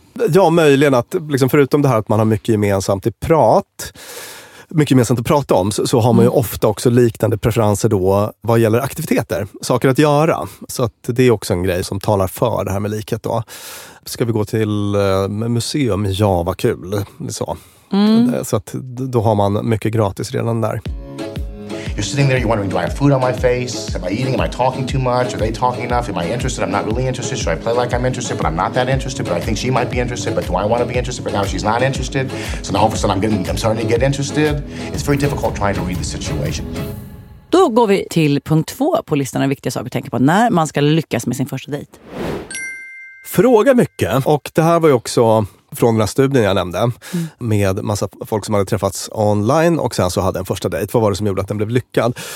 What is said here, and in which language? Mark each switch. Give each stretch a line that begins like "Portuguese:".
Swedish: Ja, möjligen att liksom, förutom det här att man har mycket gemensamt i prat, mycket mer sånt att prata om, så har man ju ofta också liknande preferenser då vad gäller aktiviteter, saker att göra. Så att det är också en grej som talar för det här med likhet då. Ska vi gå till museum? Ja, vad kul. Så att då har man mycket gratis redan där.
English: You're sitting there, you're wondering, do I have food on my face? Am I eating? Am I talking too much? Are they talking enough? Am I interested? I'm not really interested. Should I play like I'm interested, but I'm not that interested, but I think she might be interested, but do I want to be interested? But now she's not interested. So now all of a sudden I'm starting to get interested. It's very difficult trying to read the situation.
Swedish: Då går vi till punkt 2 på listan av viktiga saker att tänka på när man ska lyckas med sin första dejt. Fråga mycket. Och det här var ju också från den här studien jag nämnde med massa folk som hade träffats online och sen så hade en första dejt. Vad var det som gjorde att den blev lyckad?